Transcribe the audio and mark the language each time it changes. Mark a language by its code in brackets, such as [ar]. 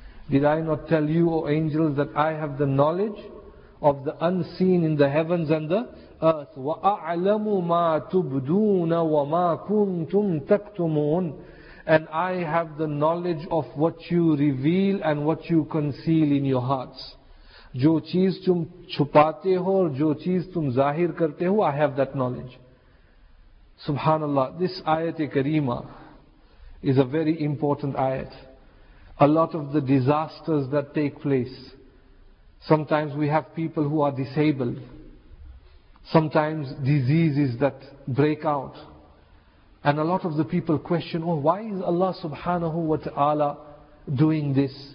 [en] Did I not tell you, O angels, that I have the knowledge of the unseen in the heavens and the earth? [ar] وَأَعْلَمُ مَا تُبْدُونَ وَمَا كُنْتُمْ تَكْتُمُونَ. [en] And I have the knowledge of what you reveal and what you conceal in your hearts. [ur] جو چیز تم چھپاتے ہو اور جو چیز تم ظاہر کرتے ہو, [en] I have that knowledge. Subhanallah, this ayat-e-kareema is a very important ayat. A lot of the disasters that take place, sometimes we have people who are disabled, sometimes diseases that break out, and a lot of the people question, oh, why is Allah subhanahu wa ta'ala doing this?